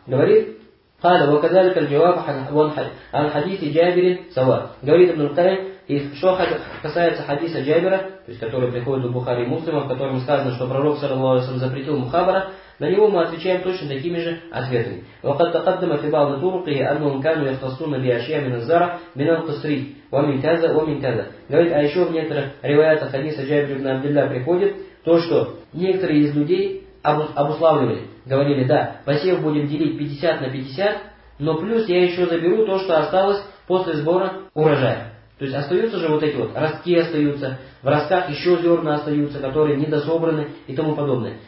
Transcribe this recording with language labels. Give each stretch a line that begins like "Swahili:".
Russian: Говорит,
Arabic: «Хада ва казалик аль-джаваб ан-хадиси Джабири сава».
Russian: Говорит Ибн аль-Кайм, и что касается хадиса Джабира, то есть который приходит у Бухари и Муслима, в котором сказано, что пророк саллаллаху алейхи ва саллям запретил мухабара, на него мы отвечаем точно такими же ответами.
Arabic: وقد تقدم في بعض طرق أنهم كانوا يختصون بأشياء من الزرع من القصري ومن كذا ومن كذا.
Russian: Говорит, а еще в некоторых риваятах хадиса Джабир ибн Абдилла приходит то, что некоторые из людей обуславливали, говорили, да, посев будем делить 50 на 50, но плюс я еще заберу то, что осталось после сбора урожая. То есть остаются же вот эти вот ростки остаются, в ростках еще зерна остаются, которые недособраны и тому подобное.